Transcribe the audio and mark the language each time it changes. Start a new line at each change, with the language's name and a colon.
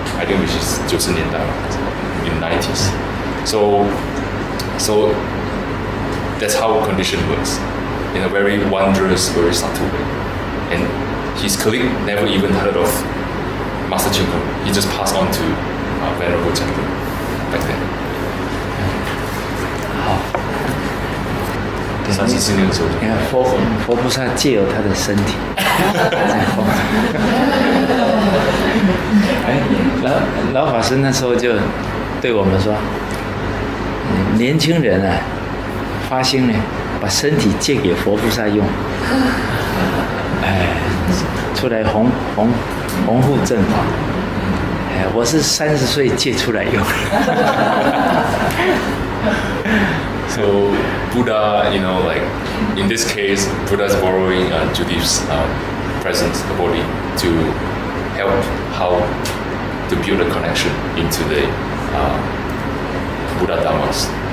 English: I think which is 90s in the 90s. So that's how condition works. in a very wondrous, very subtle way. And his colleague never even heard of Master Ching Hong. He just passed on to Venerable Chanting back then.
Chinese: 你看佛菩萨借由他的身体在晃，老法师那时候就对我们说，年轻人啊，发心呢，把身体借给佛菩萨用，出来弘护正法，我是30岁借出来用。
English: So Buddha, you know, like in this case, Buddha's borrowing Judith's presence, the body, to help how to build a connection into the Buddha Dhammas.